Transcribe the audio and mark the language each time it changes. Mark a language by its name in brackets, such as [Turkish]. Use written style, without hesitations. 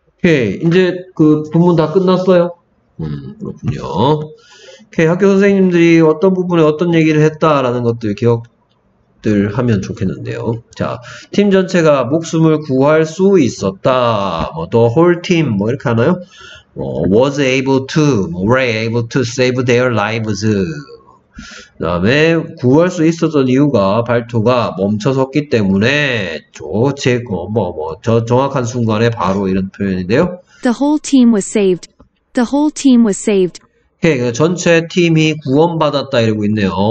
[Korean] 오케이. 이제 그 본문 다 끝났어요. 그렇군요. 오케이. 학교 선생님들이 어떤 부분에 어떤 얘기를 했다라는 것들 기억 들 하면 좋겠는데요. 자, 팀 전체가 목숨을 구할 수 있었다. 뭐, [English] the whole team [Korean] 뭐 이렇게 하나요? [English] 뭐, was able to, were able to save their lives. [Korean] 그다음에 구할 수 있었던 이유가 발토가 멈춰섰기 때문에 정확한 순간에 바로 이런 표현인데요. [English] The whole team was saved. The whole team was saved. [Korean] 오케이, 전체 팀이 구원받았다 이러고 있네요.